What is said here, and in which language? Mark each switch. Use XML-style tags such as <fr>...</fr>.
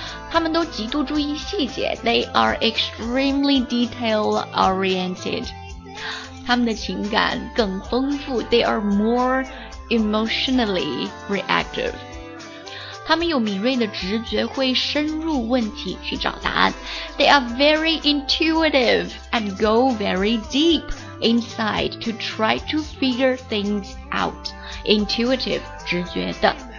<zh>他们都极度注意细节 ,</zh> <en>they are extremely detail-oriented.</en> <zh>他们的情感更丰富 ,</zh> <en>they are more emotionally reactive.</en> <zh>他们有敏锐的直觉，会深入问题去找答案。</zh> <en>They are very intuitive and go very deep inside to try to figure things out.</en> <zh>Intuitive, 直觉的。</zh>